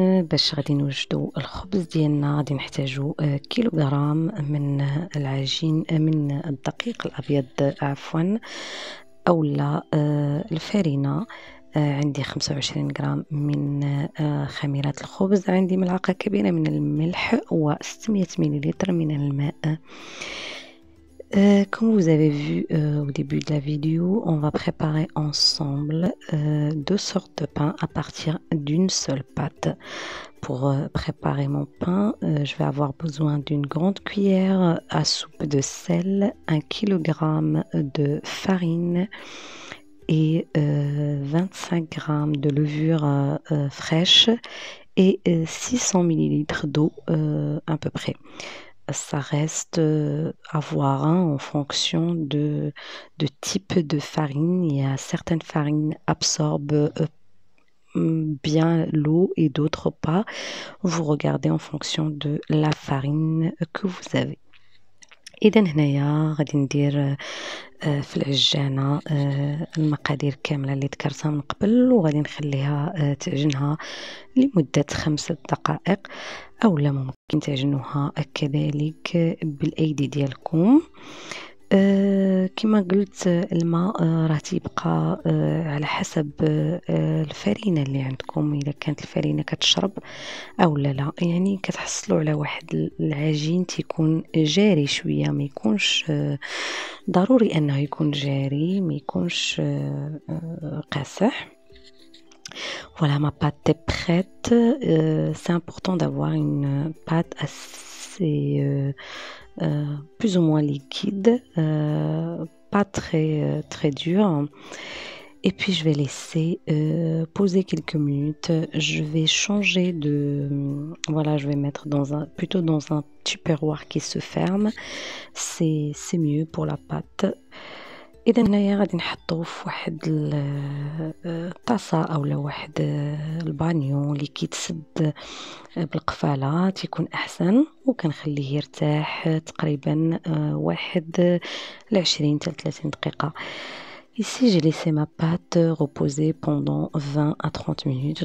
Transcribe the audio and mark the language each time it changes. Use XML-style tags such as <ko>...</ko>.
<ar>باش غادي نوجدو الخبز ديالنا غادي نحتاجو كيلوغرام من العجين، من الدقيق الابيض عفوا، اولا الفارينه عندي 25 غرام من خميرة الخبز، عندي ملعقة كبيرة من الملح و 600 مليلتر من الماء.</ar> <fr>Comme vous avez vu au début de la vidéo, on va préparer ensemble deux sortes de pain à partir d'une seule pâte. Pour préparer mon pain, je vais avoir besoin d'une grande cuillère à soupe de sel, 1 kg de farine et 25 g de levure fraîche et 600 ml d'eau à peu près. Ça reste à voir hein, en fonction de type de farine. Il y a certaines farines absorbent bien l'eau et d'autres pas. Vous regardez en fonction de la farine que vous avez.</fr> <ar>إذن هنايا غادي ندير في العجانة المقادير كاملة اللي ذكرتها من قبل، وغادي نخليها تعجنها لمدة 5 دقائق، أو لا ممكن تعجنوها كذلك بالأيدي ديالكم. كما قلت الماء راه تيبقى على حسب الفرينة اللي عندكم، إذا كانت الفرينة كتشرب أو لا، يعني كتحصلوا على واحد العجين تيكون جاري شوية، ما يكونش ضروري أنه يكون جاري، ما يكونش قاسح.</ar> <fr>Voilà ma pâte est prête. C'est important d'avoir une pâte assez plus ou moins liquide, pas très très dure. Et puis je vais laisser poser quelques minutes. Je vais changer de voilà, je vais mettre plutôt dans un tupperware qui se ferme. C'est mieux pour la pâte.</fr> <ar>اذا هنايا غادي نحطو في واحد الطاسه او واحد البانيو اللي كيتسد بالقفاله تيكون احسن، وكنخليه يرتاح تقريبا واحد لعشرين حتى 30 دقيقه.</ar> <fr>Ici, j'ai laissé ma pâte reposer pendant 20 à 30 minutes.</fr>